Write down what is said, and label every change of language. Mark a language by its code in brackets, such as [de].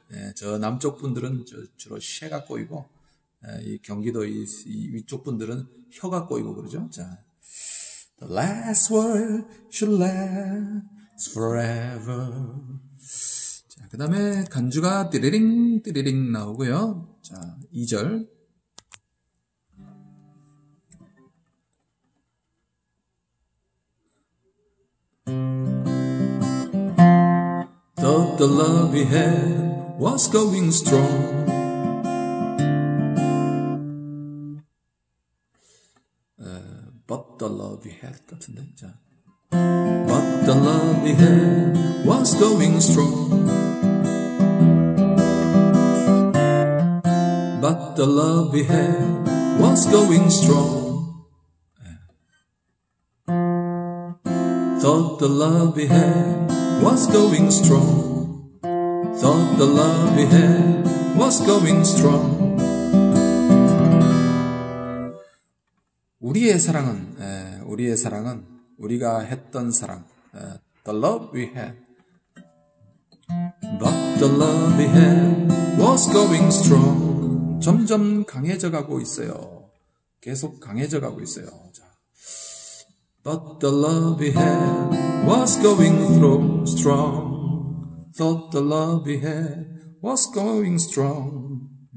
[ko] 네, 저 남쪽 분들은 주로 쉐가 꼬이고 네, 이 경기도 이 위쪽 분들은 혀가 꼬이고 그러죠. [en] 자, The last word should last forever. [ko] 자, 그 다음에 간주가 띠리링 띠리링 나오고요. [en] 자, 2절 Thought the love we had was going strong But the love we had [ko] 같은데 [en] 자. But the love he had was going strong. But the love he had was going strong. Thought the love he had was going strong. Thought the love he had was going strong. [ko] 우리의 사랑은, 우리의 사랑은 우리가 했던 사랑. [en] The love we had. But the love we had was going strong. [ko] 점점 강해져 가고 있어요. 계속 강해져 가고 있어요. 자. [en] But the love we had was going strong. Thought the love we had was going strong.